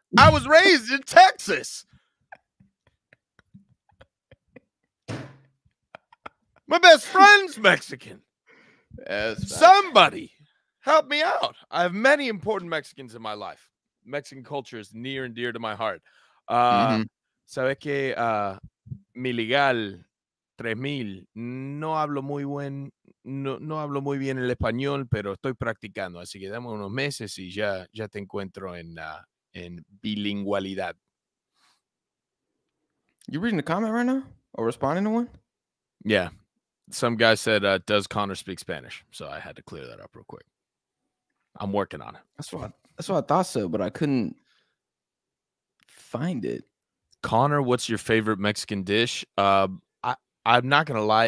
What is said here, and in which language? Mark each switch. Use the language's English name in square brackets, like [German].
[English] I was raised in Texas. My best friend's Mexican. Somebody help me out. I have many important Mexicans in my life. Mexican culture is near and dear to my heart. [Spanish] Sabe que mi legal 3000 no hablo muy bien el español, pero estoy practicando, así que dame unos meses y ya te encuentro en bilingualidad. [English] You reading a comment right now or responding to one? Yeah. Some guy said, does Connor speak Spanish? So I had to clear that up real quick. I'm working on it. That's what I thought, but I couldn't find it. Connor, what's your favorite Mexican dish? I'm not going to lie.